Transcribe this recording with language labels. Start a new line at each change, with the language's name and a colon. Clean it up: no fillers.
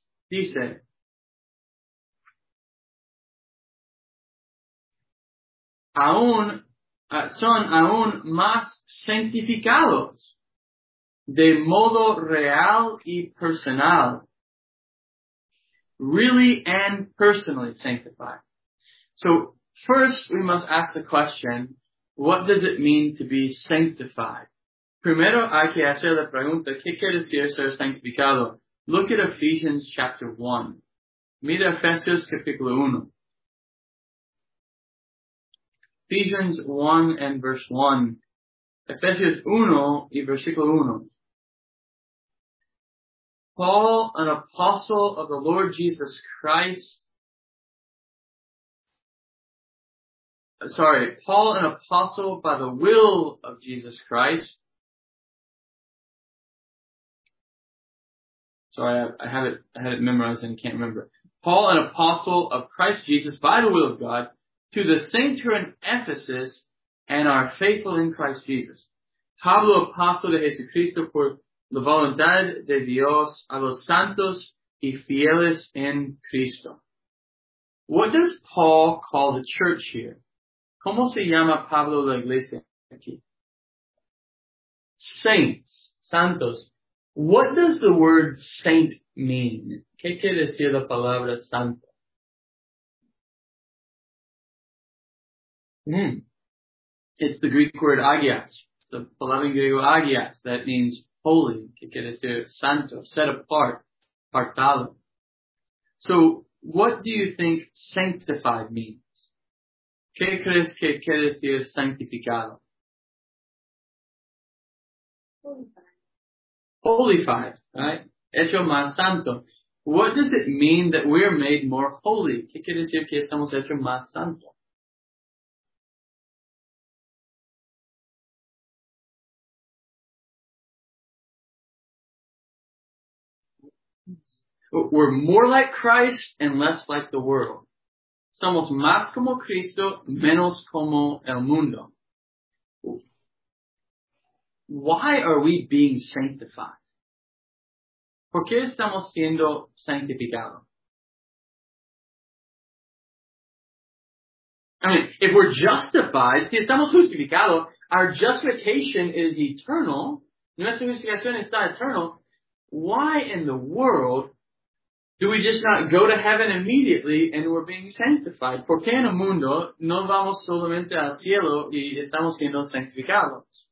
Spanish: Dice, son aún más santificados de modo real y personal.
English: Really and personally sanctified. So first we must ask the question, what does it mean to be sanctified?
Spanish: Primero hay que hacer la pregunta, ¿qué quiere decir ser sanctificado?
English: Look at Ephesians chapter 1.
Spanish: Mira Efesios capítulo 1.
English: Ephesians 1 and verse 1.
Spanish: Efesios 1 y versículo 1.
English: Paul, an apostle of the Lord Jesus Christ. Paul, an apostle by the will of Jesus Christ. I had it memorized and can't remember. Paul, an apostle of Christ Jesus by the will of God, to the saints who are in Ephesus and are faithful in Christ Jesus.
Spanish: Pablo, apostle de Jesucristo por la voluntad de Dios a los santos y fieles en Cristo.
English: What does Paul call the church here?
Spanish: ¿Cómo se llama Pablo la iglesia aquí?
English: Saints, santos. What does the word saint mean?
Spanish: ¿Qué quiere decir la palabra santo?
English: It's the Greek word agias. It's the
Spanish: palabra en griego
English: agias. That means holy.
Spanish: ¿Qué quiere decir santo?
English: Set apart. Apartado. So, what do you think sanctified means?
Spanish: ¿Qué crees que quiere decir santificado?
English: Holified, right?
Spanish: Hecho más santo.
English: What does it mean that we are made more holy?
Spanish: ¿Qué quiere decir que estamos hecho más santo?
English: We're more like Christ and less like the world.
Spanish: Somos más como Cristo, menos como el mundo.
English: Why are we being sanctified?
Spanish: ¿Por qué estamos siendo sanctificados?
English: I mean, if we're justified,
Spanish: si estamos justificados,
English: our justification is eternal.
Spanish: Nuestra justificación está eternal.
English: Why in the world do we just not go to heaven immediately and we're being sanctified?
Spanish: ¿Por qué en el mundo no vamos solamente al cielo y estamos siendo sanctificados?